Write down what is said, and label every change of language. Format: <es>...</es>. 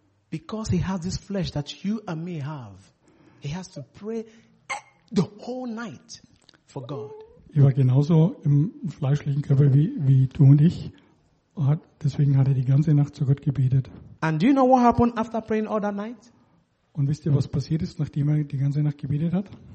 <en>Because he has this flesh that you and me have, he has to pray the whole night for God.</en> <de>Er war genauso im fleischlichen Körper wie du und ich. Deswegen hat er die ganze Nacht zu Gott gebetet.</de> <en>And do you know what happened after praying all that night?</en> <de>Und wisst ihr, was passiert ist, nachdem er die ganze Nacht gebetet hat?</de>